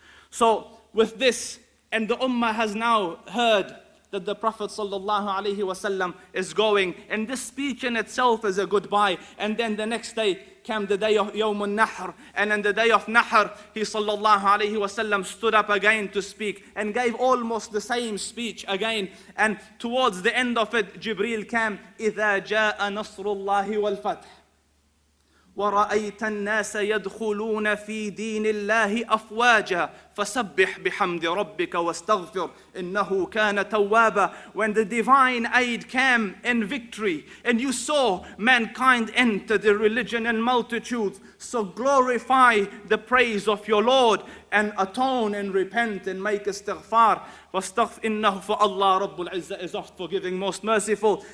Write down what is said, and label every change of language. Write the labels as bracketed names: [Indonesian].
[English] So with this, and the Ummah has now heard that the Prophet sallallahu alaihi wasallam is going, and this speech in itself is a goodbye. And then the next day came the day of Yawm al-Nahr, and in the day of Nahr, he sallallahu alaihi wasallam stood up again to speak and gave almost the same speech again. And towards the end of it, Jibreel came, [Arabic] إِذَا جَاءَ نَصْرُ اللَّهِ وَالْفَتْحِ ورأيت الناس يدخلون في دين الله أفواجا فسبح بحمد ربك واستغفر إنه كان توابا. [English] When the divine aid came in victory and you saw mankind enter the religion in multitudes, so glorify the praise of your Lord and atone and repent and make استغفار. فاستغفر for Allah رب العزة is oft forgiving, most merciful.